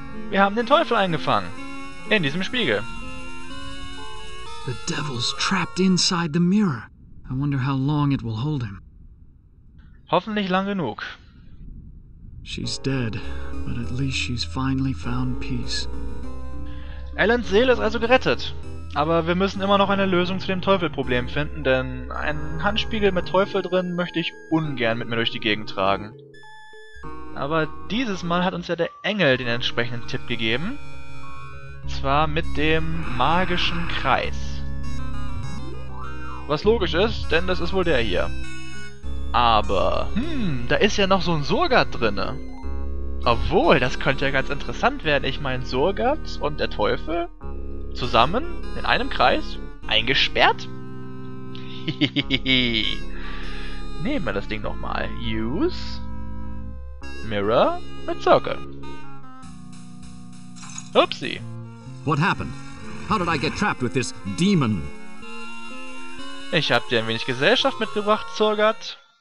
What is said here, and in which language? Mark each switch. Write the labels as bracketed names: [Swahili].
[German] Wir haben den Teufel eingefangen. In diesem Spiegel. [English] The devil's trapped inside the mirror. I wonder how long it will hold him. [German] Hoffentlich lang genug. [English] She's dead, but at least she's finally found peace. [German] Ellens Seele ist also gerettet. Aber wir müssen immer noch eine Lösung zu dem Teufelproblem finden, denn einen Handspiegel mit Teufel drin möchte ich ungern mit mir durch die Gegend tragen. Aber dieses Mal hat uns ja der Engel den entsprechenden Tipp gegeben. Zwar mit dem magischen Kreis. Was logisch ist, denn das ist wohl der hier. Aber, da ist ja noch so ein Surgat drinne. Obwohl, das könnte ja ganz interessant werden. Ich meine, Surgat und der Teufel zusammen in einem Kreis eingesperrt? Nehmen wir das Ding nochmal. [English] Use Mirror mit Circle. [German] Upsie. [English] What happened? How did I get trapped with this demon? [German] Ich hab dir ein wenig Gesellschaft mitgebracht, Surgat.